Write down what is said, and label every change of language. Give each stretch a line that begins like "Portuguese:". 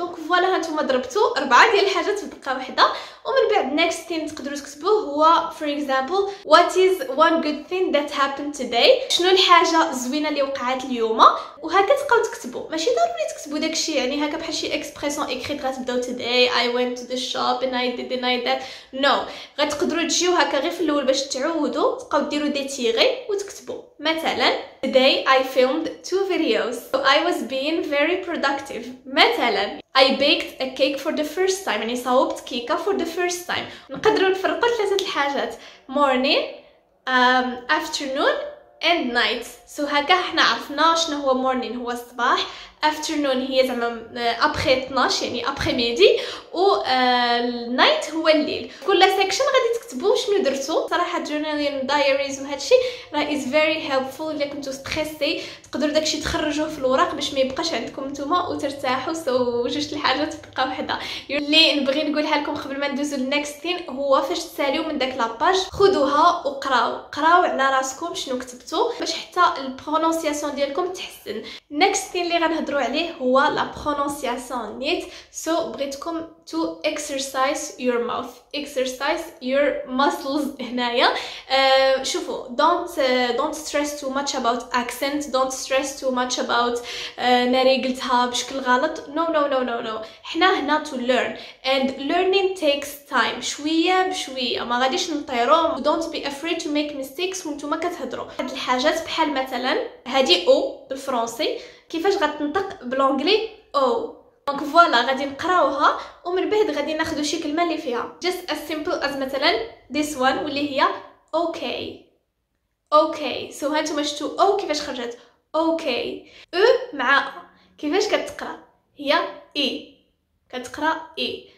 Arabic: دونك فوالا هانتوما ضربتوا اربعه ديال الحاجات في دقه واحده. ومن بعد نيكست ثين تقدروا تكتبوه هو فور اكزامبل
English: وات از وان جود ثين ذات هابن توداي
Arabic: شنو الحاجه زوينه اللي وقعت اليوم وهكا تبقاو تكتبوا. ماشي ضروري تكتبوا داكشي يعني هكا بحال شي اكسبريسيون اكريت غتبداو
English: today I went to the shop and I did
Arabic: اند اي ذات نو غتقدروا تجيو هكا غير في الاول باش تعودوا تبقاو ديروا دي تيغي وتكتبوا. مثلا
English: today I filmed two videos so I was being very productive.
Arabic: مثلا
English: I baked a cake for the first time
Arabic: يعني صوبت كيكة
English: for the first time.
Arabic: نقدروا نفرقوا ثلاثة الحاجات
English: morning afternoon and night.
Arabic: سو هكا احنا عرفنا شنو هو morning هو الصباح afternoon هي زعما ابخي 12 يعني ابخي ميدي و night هو الليل. كل سيكشن غادي تكتبوا شنو درتوا. صراحه جورنالين دايريز وهادشي راه
English: is very helpful
Arabic: الا كنتو ستريسي تقدروا داكشي تخرجوه في الوراق باش ما يبقاش عندكم نتوما وترتاحوا. سو جوج الحاجات تبقى وحده. اللي نبغي نقولها لكم قبل ما ندوزو للنيكست ثين هو فاش تساليو من داك لاباج خذوها وقراو قراو على راسكم شنو كتبتوا باش حتى البرونونسياسيون ديالكم تحسن. نيكست ثين اللي غنهضروا عليه هو لا برونونسياسيون نيت. سو بغيتكم
English: to exercise your mouth exercise your muscles
Arabic: هنايا شوفوا
English: don't stress too much about accent don't stress too much about
Arabic: ناري قلتها بشكل غلط
English: no
Arabic: حنا هنا
English: to learn and learning takes time
Arabic: شويه بشويه ما غاديش نطيرو.
English: don't be afraid to make mistakes
Arabic: وانتم كتهضروا. هاد الحاجات بحال مثلا هادي او بالفرنسي كيفاش غتنطق بالانجلي او. دونك فوالا غادي نقراوها ومن بعد غادي ناخذوا شي كلمه اللي فيها
English: just as simple as
Arabic: مثلا
English: this one
Arabic: واللي هي okay. سو هانتوما شفتوا او كيفاش خرجت okay او مع كيفاش كتقرا هي اي كتقرا اي.